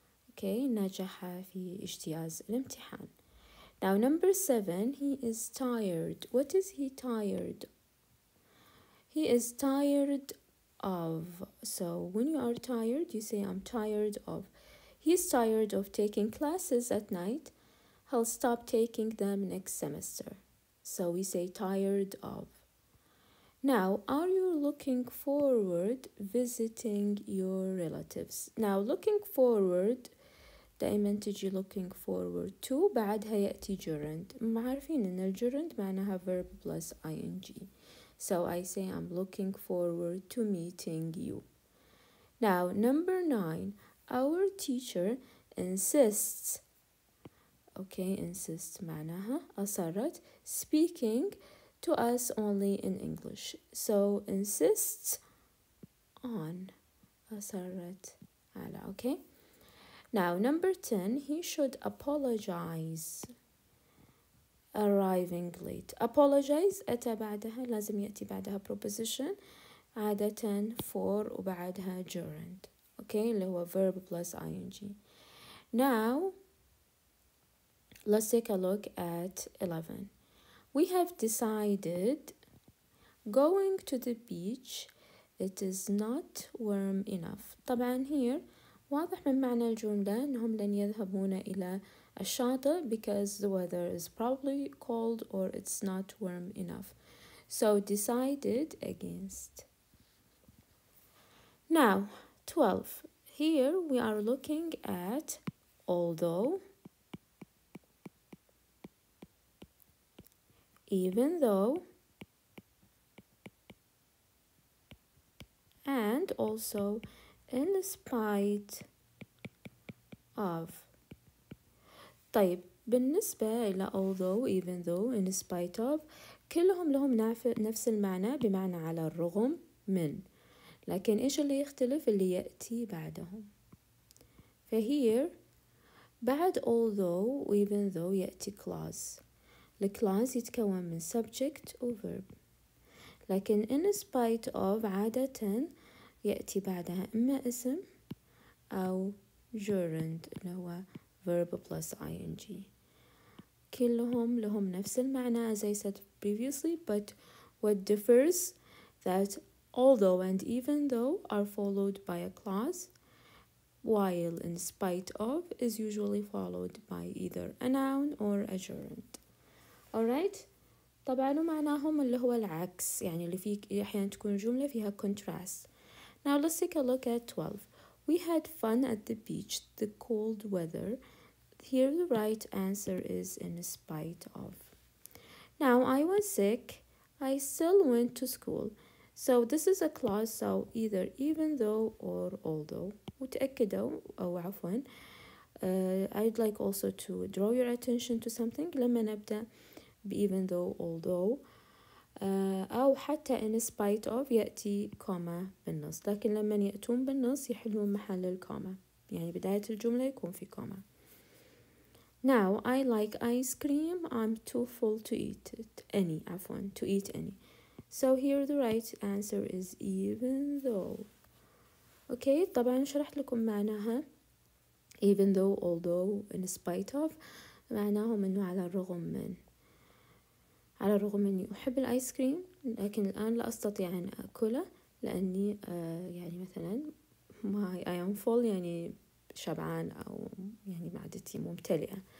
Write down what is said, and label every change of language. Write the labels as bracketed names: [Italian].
[Arabic] Okay, نجح في اجتياز الامتحان. [English] Now, number 7, he is tired. What is he tired? He is tired of. So when you are tired, you say I'm tired of. He's tired of taking classes at night. He'll stop taking them next semester. So we say tired of. Now, are you looking forward visiting your relatives? Now, looking forward, [Arabic] دائما تجي [English] looking forward to, [Arabic] بعدها يأتي [English] gerund. [Arabic] معرفين ان الجرند معناها [English] verb plus ing. So I say I'm looking forward to meeting you. Now, number 9, our teacher insists, okay, insist [Arabic] معناها أصرت, [English] speaking to us only in English. So insists on, [Arabic] أصرت على, [English] okay. Now, number 10, he should apologize. Arriving late. [Arabic] Apologize, أتى بعدها, لازم يأتي بعدها preposition, عادة for وبعدها gerund. [English] Okay, [Arabic] اللي هو [English] verb plus ing. Now, Let's take a look at 11. We have decided going to the beach. It is not warm enough. [Arabic] طبعا [English] here [Arabic] واضح من معنى الجملة أنهم لن يذهبون إلى الشاطئ [English] because the weather is probably cold or it's not warm enough. So decided against. Now, 12. Here we are looking at although, even though, and also in spite of. [Arabic] طيب بالنسبة إلى although, even though, in spite of كلهم لهم نفس المعنى بمعنى على الرغم من، لكن إيش اللي يختلف اللي يأتي بعدهم. فهير بعد although even though يأتي clause. الكلاز يتكون من subject و verb، لكن in spite of عادة يأتي بعدها إما اسم أو gerund اللي هو [English] verb plus ing. [Arabic] كلهم لهم نفس المعنى [English] as I said previously, but what differs that although and even though are followed by a clause, while in spite of is usually followed by either a noun or a gerund. [Arabic] Alright, طبعا معناهم اللي هو العكس، يعني اللي فيه أحيانا تكون جملة فيها contrast. [English] Now let's take a look at 12. We had fun at the beach, the cold weather. Here the right answer is in spite of. Now I was sick, I still went to school. So this is a clause, so either even though or although. [Arabic] وتأكدوا أو عفوا. [English] I'd like also to draw your attention to something. [Arabic] لما نبدأ even though, although, أو حتى in spite of يأتي comma بالنص، لكن لما يأتون بالنص يحلون محل الكوما، يعني بداية الجملة يكون في comma. [English] Now I like ice cream. I'm too full to eat it. To eat any. So here the right answer is even though. Okay. [Arabic] طبعا شرحت لكم معناها even though, although, in spite of معناهم إنه على الرغم من. على الرغم أني أحب الآيس كريم لكن الآن لا أستطيع أن أكله لأني يعني مثلا [English] my I am full [Arabic] يعني شبعان أو يعني معدتي ممتلئة.